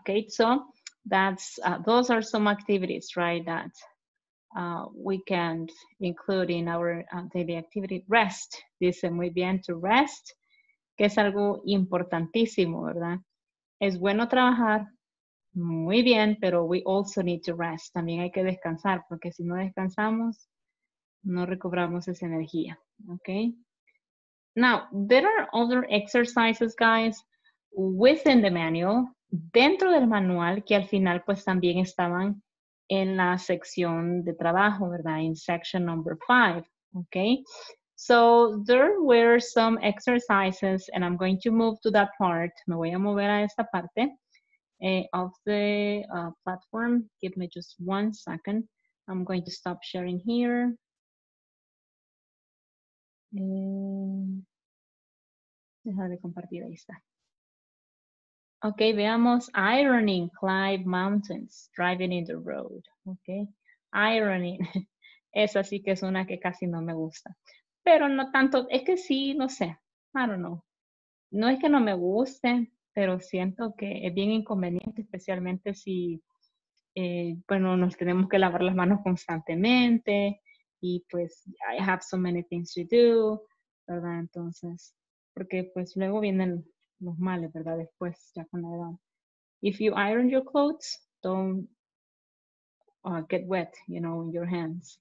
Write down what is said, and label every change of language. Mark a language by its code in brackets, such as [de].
[en] Okay, so that's those are some activities, right, that we can include in our daily activity. Rest, [es] dice muy bien, [en] to rest, [es] que es algo importantísimo, ¿verdad? Es bueno trabajar. Muy bien, pero [en] we also need to rest. [es] También hay que descansar, porque si no descansamos, no recobramos esa energía, okay? [en] Now, there are other exercises, guys, within the manual, [es] dentro del manual, que al final, pues, también estaban en la sección de trabajo, ¿verdad? [en] In section number 5, okay? So, there were some exercises, and I'm going to move to that part. [es] Me voy a mover a esta parte [en] of the platform. Give me just 1 second. I'm going to stop sharing here. [es] Deja de compartir, ahí está. [en] Ok, [es] veamos [en] ironing Clive Mountains, driving in the road. Ok, ironing. [es] Esa sí que es una que casi no me gusta. Pero no tanto, es que sí, no sé. [en] I don't know. [es] No es que no me guste, pero siento que es bien inconveniente, especialmente si, bueno, nos tenemos que lavar las manos constantemente. Y pues, [en] I have so many things to do, [es] ¿verdad? Entonces, porque pues luego vienen los males, ¿verdad? Después, ya con la edad. [en] If you iron your clothes, don't get wet, you know, in your hands.